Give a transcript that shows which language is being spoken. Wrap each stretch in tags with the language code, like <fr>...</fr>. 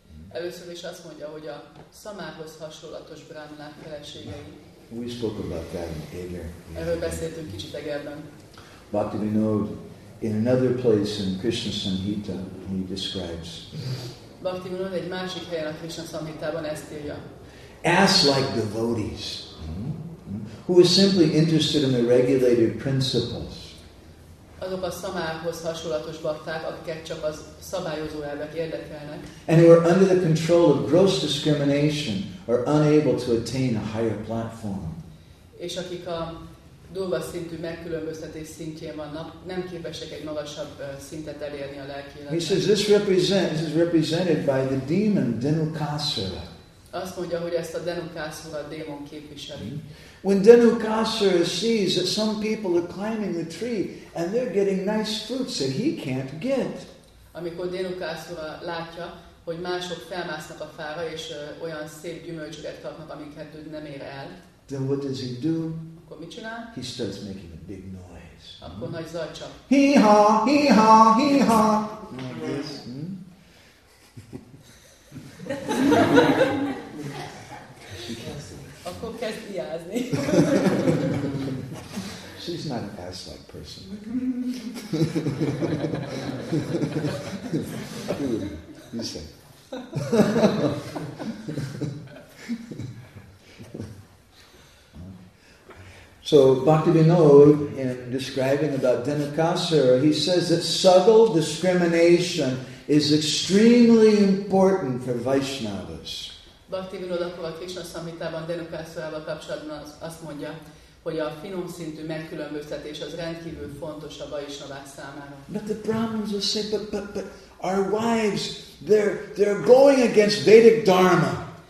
<hu>Először is azt mondja, hogy a szamához hasonlatos brahmanák feleségei.</hu> <en>We spoke about that in Eger. Bhaktivinoda, in another place in Krishna Samhita, he describes.</en> <hu>Bhaktivinoda egy másik helyen a Krishna Samhitában ezt írja.</hu> <en>Ass-like devotees, who are simply interested in the regulated principles.</en> <hu>Azok a szamához hasonlatos bhakták, akiket csak az szabályozó elvek érdekelnek.</hu> <en>And who are under the control of gross discrimination, are unable to attain a higher platform.</en> <hu>És akik a durva szintű megkülönböztetés szintjén vannak, nem képesek egy magasabb szintet elérni a lelki életben.</hu> <en>He says this is represented by the demon Denukasura.</en> <hu>Azt mondja, hogy ezt a Denukasura démon képviseli.</hu> <en>When Denukasura sees that some people are climbing the tree and they're getting nice fruits that he can't get.</en> <hu>Amikor Denukasura látja, hogy mások felmásznak a fára, és olyan szép gyümölcsöket kapnak, amiket ő nem ér el.</hu> <en>Then what does he do?</en> <hu>Akkor mit csinál?</hu> <en>He starts making a big noise.</en> <hu>Akkor nagy zaj csak.</hu> <en>Hee-ha, hee-ha, hee-ha! Like this.</en> <hu>Akkor kezd hiázni.</hu> <en>She's not an ass-like person. You say. So Bhaktivinoda, in describing about Denukasura, he says that subtle discrimination is extremely important for Vaishnavas.</en> <hu>Bhaktivinoda a Krishna Samhitában Denukasurával kapcsolatban azt mondja, hogy a finom szintű megkülönböztetés az rendkívül fontos a Vaishnavák számára.</hu> <en>But the Brahmins will say, but our wives, they're going against Vedic Dharma.</en>